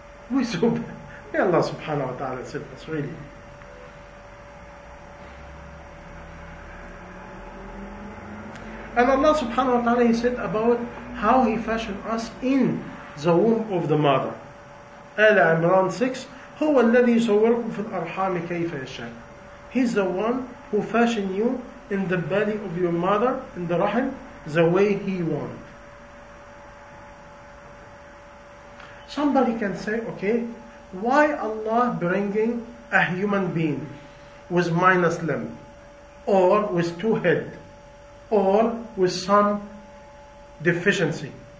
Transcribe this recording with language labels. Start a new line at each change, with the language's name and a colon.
English: We so bad. May Allah subhanahu wa ta'ala save us, really. And Allah subhanahu wa ta'ala, He said about how He fashioned us in the womb of the mother.
Arabic: Ala Imran 6, هُوَ الَّذِي صَوَّرْكُمْ فِي الْأَرْحَامِ كَيْفَ يَشَاءُ.
English: He's the one who fashioned you in the belly of your mother, in the rahim, the way he want. Somebody can say, okay, why Allah bringing a human being with minus limb, or with 2 head, or with some deficiency?